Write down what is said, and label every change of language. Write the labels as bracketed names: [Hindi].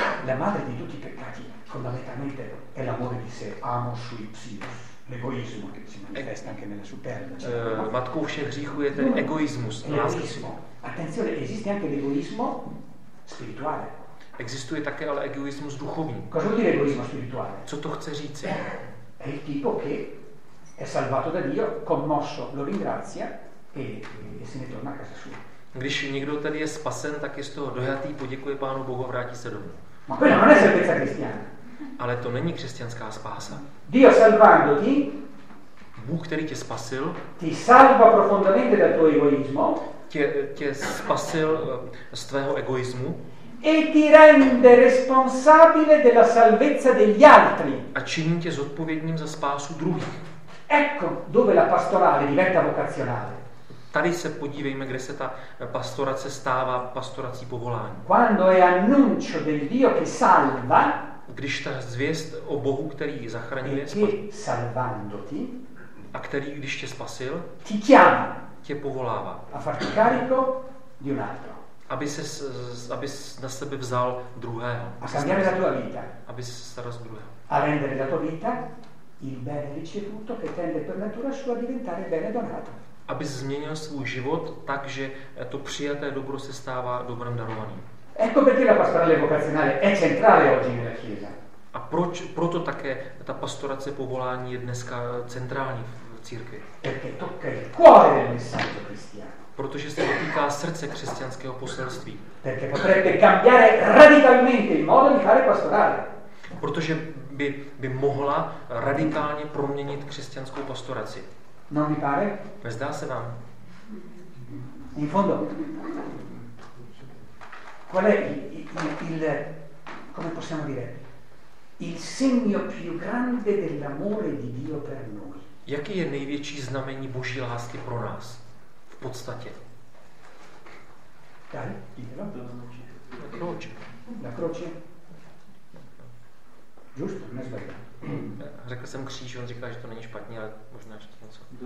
[Italian] La madre di tutti i peccati, fondamentalmente, è l'amore di sé, amo sui psios. L'egoismo che si manifesta anche nella superbia. [Czech] Matkou všech hříchů je tedy egoismus. [Italian] L'egoismo. Attenzione, esiste anche l'egoismo spirituale. [Czech] Existuje také ale egoismus duchovní. [Italian] Cosa vuol dire egoismo spirituale? [Czech] Co to chce říci? [Italian] È il tipo che è salvato da Dio, commosso, lo ringrazia e se ne torna a casa sua. [Czech] Když někdo tady je spasen, tak je z toho dojatý, poděkuje Pánu Bohu a vrátí se domů. [Italian] Ma quella non è salvezza cristiana. [Czech] Ale to není křesťanská spása. [Italian] Dio salvandoti, [Czech] Bůh, který tě spasil, [Italian] ti salva profondamente dal tuo egoismo, [Czech] tě spasil z tvého egoismu, [Italian] e ti rende responsabile della salvezza degli altri. [Czech] A činí tě zodpovědným za spásu druhých. [Italian] Ecco dove la pastorale diventa vocazionale. [Czech] Tady se podívejme, kde se ta pastorace stává pastorací povolání. [Italian] Quando è annuncio del Dio che salva, [Czech] když ta zvěst o Bohu, který zachraňuje, [Italian] salvandoti, [Czech] a který když tě spasil, [Italian] ti chiama, [Czech] tě povolává. [Italian] A farti carico di un altro. [Czech] Aby na sebe vzal druhého. [Italian] A cambiare la tua vita. [Czech] Aby se staral druhého. [Italian] A rendere la tua vita il bene ricevuto che tende per natura sua a diventare bene donato. [Czech] Aby změnil svůj život tak, že to přijaté dobro se stává dobrem darovaným. [Italian] Ecco perché la pastorale vocazionale è centrale oggi nella Chiesa. [Czech] A proto také ta pastorace povolání je dneska centrální v církvi. [Italian] Perché tocca il cuore del messaggio cristiano. [Czech] Protože se dotýká srdce křesťanského poselství. [Italian] Perché potrebbe cambiare radicalmente il modo di fare pastorale. [Czech] Protože by mohla radikálně proměnit křesťanskou pastoraci. [Italian] Non mi pare? [Czech] Nezdá se vám? [Italian] In fondo. Qual è come possiamo dire il segno più grande dell'amore di Dio per noi? [Czech] Jaký je největší znamení Boží lásky pro nás? V podstatě. [Italian] Dai, la croce. La croce. Giusto, non è sbagliato. [Czech] Řekl jsem kříž, on říká, že to není špatně, ale možná ještě něco.